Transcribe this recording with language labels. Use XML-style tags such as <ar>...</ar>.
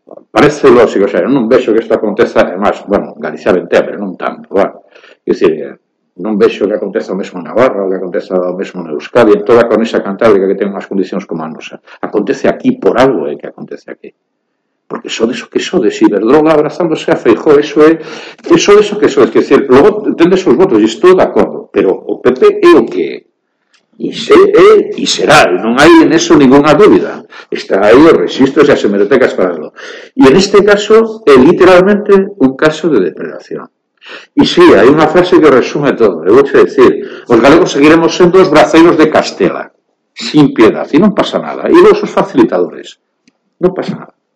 <gl>Parece lógico,</gl> <es>o sea,</es> <gl>non vexo que isto aconteza, además, bueno, Galicia ventea, pero non tanto, bueno,</gl> <es>es decir,</es> <gl>non vexo que aconteza o mesmo en Navarra, que aconteza o mesmo en Euskadi, en toda a cornisa cantábrica que ten unhas condicións como a nosa. Acontece aquí por algo, que acontece aquí. Porque só deso que só de Iberdrola abrazándose a Feijó, eso é... Só deso que só,</gl> <es>es decir,</es> <gl>logo tendes os votos, e estou de acordo, pero o PP é o que é. E será, e non hai en eso ninguna dúbida. Está aí os registros e as hemerotecas para lo. E en este caso, é literalmente un caso de depredación.</gl> <es>Y sí, hay una frase que resume todo. Le voy a decir, los galegos seguiremos siendo los braceiros de Castela, sin piedad, y no pasa nada. Y los sus facilitadores, no pasa nada.</es>